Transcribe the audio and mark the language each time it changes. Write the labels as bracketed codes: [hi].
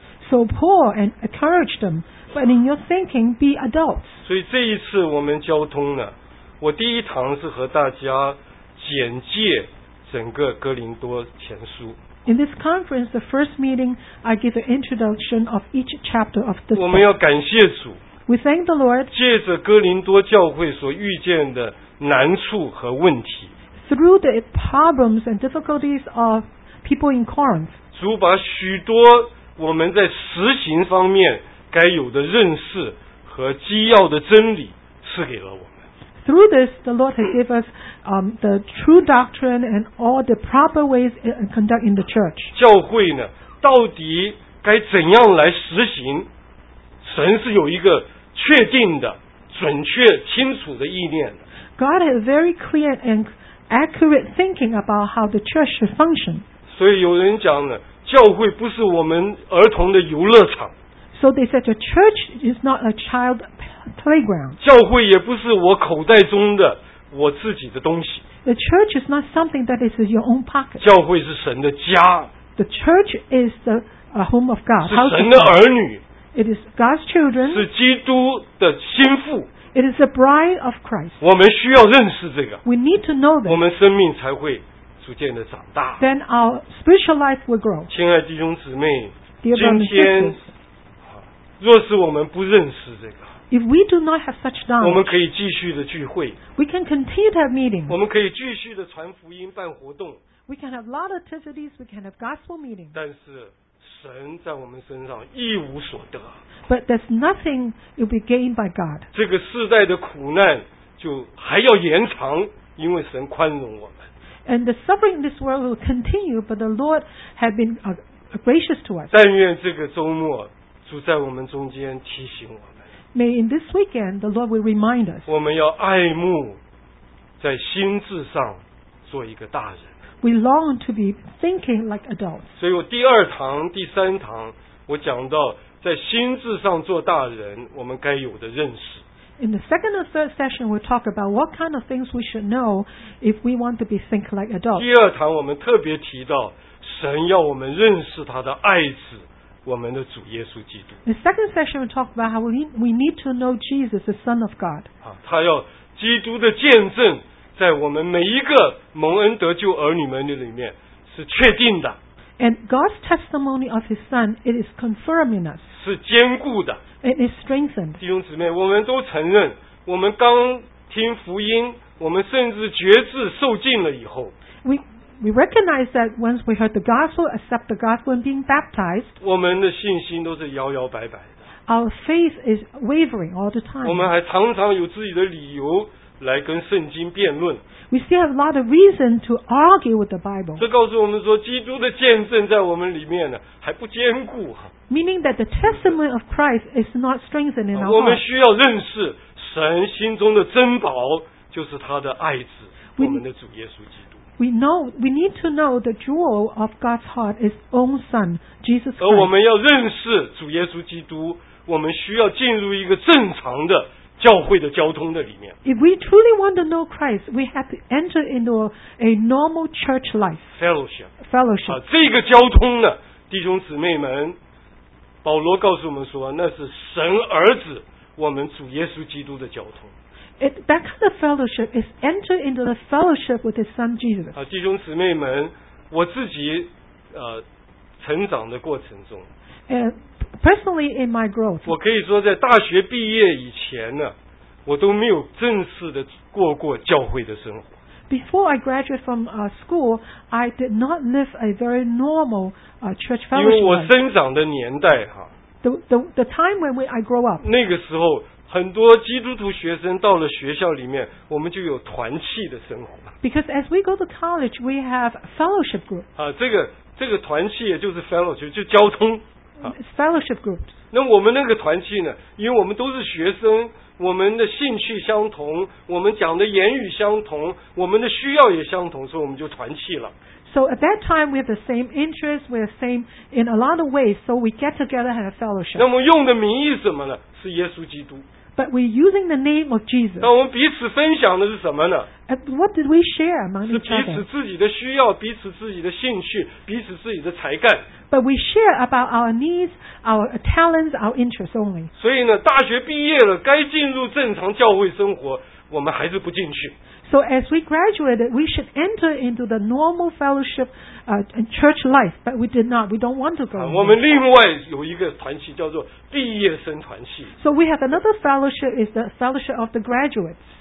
[en] So Paul and encourage them, but in your thinking be adults. [zh] 所以这一次我们交通呢，我第一堂是和大家简介整个哥林多前书。 [en] In this conference, the first meeting, I give an introduction of each chapter of this book. [zh] 我们要感谢主。 [en] We thank the Lord. [zh] 借着哥林多教会所遇见的难处和问题。 [en] Through the problems and difficulties of people in Corinth. [zh] 主把许多我们在实行方面该有的认识和基要的真理赐给了我们。 [en] Through this, the Lord has given us the true doctrine and all the proper ways of conduct in the church. [zh] 教会呢，到底该怎样来实行？神是有一个确定的、准确、清楚的意念的。 [en] God has very clear and accurate thinking about how the church should function. [zh] 所以有人讲呢，教会不是我们儿童的游乐场。 [en] So they said the church is not a child playground. [zh] 教会也不是我口袋中的我自己的东西。 [en] The church is not something that is your own pocket. [zh] 教会是神的家。 [en] The church is the home of God. [zh] 是神的儿女。 [en] It is God's children. [zh] 是基督的心腹。 [en] It is the bride of Christ. [zh] 我们需要认识这个。 [en] We need to know this. [zh] 我们生命才会逐渐的长大。 [en] Then our spiritual life will grow. [zh] 亲爱弟兄姊妹， [en] Dear [zh] 今天若是我们不认识这个， [en] If we do not have such knowledge, [zh] 我们可以继续的聚会， [en] We can continue to have meetings. [zh] 我们可以继续的传福音办活动， [en] We can have a lot of activities, we can have gospel meetings. [zh] 但是神在我们身上一无所得， [en] But there's nothing you'll be gained by God. [zh] 这个世代的苦难就还要延长，因为神宽容我们。 [en] And the suffering in this world will continue, but the Lord has been gracious to us. [zh] 但愿这个周末主在我们中间提醒我们。 [en] May in this weekend the Lord will remind us. [zh] 我们要爱慕，在心智上做一个大人。 [en] We long to be thinking like adults. [zh] 所以我第二堂、第三堂，我讲到在心智上做大人，我们该有的认识。 [en] In the second and third session, we'll talk about what kind of things we should know if we want to be think like adults. [zh] 第二堂我们特别提到神要我们认识他的爱子。我们的主耶稣基督。 [en] The second session we talk about how we need to know Jesus, the Son of God. [zh] 他要基督的见证在我们每一个蒙恩得救儿女们的里面是确定的。 [en] And God's testimony of His Son, it is confirmed in us. [zh] 是坚固的。 [en] It is strengthened. [zh] 弟兄姊妹，我们都承认，我们刚听福音，我们甚至觉志受浸了以后。 [en] We recognize that once we heard the gospel, accept the gospel and being baptized, [zh] 我们的信心都是摇摇摆摆的。 [en] Our faith is wavering all the time. [zh] 我们还常常有自己的理由来跟圣经辩论。 [en] We still have a lot of reason to argue with the Bible. [zh] 这告诉我们说，基督的见证在我们里面呢，还不坚固。 [en] Meaning that the testimony of Christ is not strengthened in our heart. [zh] 我们需要认识神心中的珍宝，就是他的爱子，我们的主耶稣基督。 [en] We need to know the jewel of God's heart is own Son, Jesus Christ. [zh] 而我们要认识主耶稣基督，我们需要进入一个正常的教会的交通的里面。 [en] If we truly want to know Christ, we have to enter into a normal church life. Fellowship. 啊， [zh] 这个交通呢，弟兄姊妹们，保罗告诉我们说，那是神儿子，我们主耶稣基督的交通。 [en] That kind of fellowship is enter into the fellowship with His Son Jesus. [zh] 弟兄姊妹们，我自己成长的过程中 [en] ，and personally in my growth, [zh] 我可以说在大学毕业以前呢，我都没有正式的过过教会的生活。 [en] Before I graduated from school, I did not live a very normal church fellowship. [zh] 因为我生长的年代哈，the time when I grow up, 那个时候。很多基督徒学生到了学校里面，我们就有团契的生活。 [en] Because as we go to college, we have fellowship group. [zh] 这个团契也就是 fellowship， 就交通。 [en] Fellowship groups. [zh] 那我们那个团契呢？因为我们都是学生，我们的兴趣相同，我们讲的言语相同，我们的需要也相同，所以我们就团契了。 [en] So at that time, we have the same interests, we're the same in a lot of ways, so we get together and have fellowship. [zh] 那么用的名义什么呢？是耶稣基督。 [en] But we're using the name of Jesus. [zh] 那我们彼此分享的是什么呢？ [en] What did we share among each other? [zh] 是彼此自己的需要，彼此自己的兴趣，彼此自己的才干。 [en] But we share about our needs, our talents, our interests only. [zh] 所以呢，大学毕业了，该进入正常教会生活，我们还是不进去。 [en] So as we graduated, we should enter into the normal fellowship, church life, but we did not. We don't want to go. [zh] 我们另外有一个团契叫做毕业生团契。 [en] So we have another fellowship, is the fellowship of the graduates.